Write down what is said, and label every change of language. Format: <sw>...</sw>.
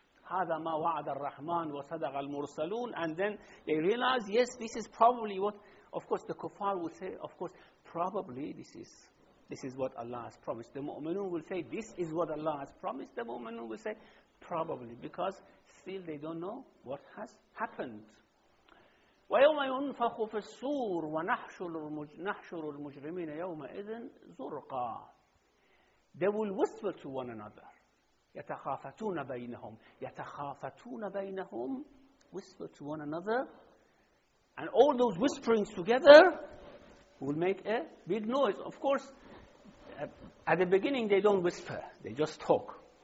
<ar>هَذَا مَا وَعَدَ الرَّحْمَانُ وَصَدَقَ الْمُرْسَلُونَ</ar> <en>And then they realize, yes, this is probably what, of course, the kuffar will say, of course, probably this is what Allah has promised. The mu'minun will say, this is what Allah has promised. The mu'minun will say, probably, because still they don't know what has happened.</en> <ar>وَيَوْمَ يُنْفَخُ فِي الصُّورِ وَنَحْشُرُ الْمُجْرِمِينَ يَوْمَئِذٍ زُرْقًا</ar> <en>They will whisper to one another.</en> <ar>يَتَخَافَتُونَ بَيْنَهُمْ يَتَخَافَتُونَ بَيْنَهُمْ</ar> <en>Whisper to one another. And all those whisperings together will make a big noise. Of course, at the beginning they don't whisper. They just talk.</en>